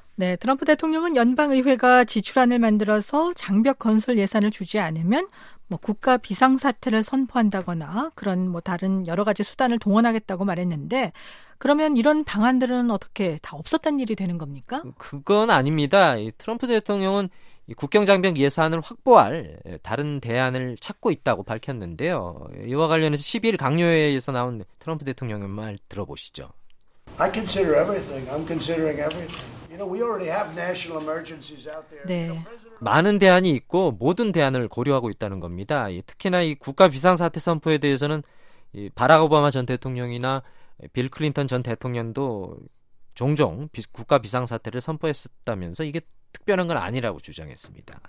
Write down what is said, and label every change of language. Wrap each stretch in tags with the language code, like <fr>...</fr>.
<ko>네, 트럼프 대통령은 연방의회가 지출안을 만들어서 장벽 건설 예산을 주지 않으면 뭐 국가 비상사태를 선포한다거나 그런 뭐 다른 여러 가지 수단을 동원하겠다고 말했는데 그러면 이런 방안들은 어떻게 다 없었던 일이 되는 겁니까? 그건 아닙니다. 트럼프 대통령은 국경장벽 예산을 확보할 다른 대안을 찾고 있다고 밝혔는데요. 이와 관련해서 12일 강요회에서 나온 트럼프 대통령의 말 들어보시죠.</ko> <en>I consider everything. I'm considering everything. You know, we already have national emergencies out there.</en> <ko>네. 많은 대안이 있고 모든 대안을 고려하고 있다는 겁니다. 특히나 이 국가 비상사태 선포에 대해서는 이 바락 오바마 전 대통령이나 빌 클린턴 전 대통령도 종종 국가 비상사태를 선포했었다면서 이게 특별한 건 아니라고 주장했습니다.</ko>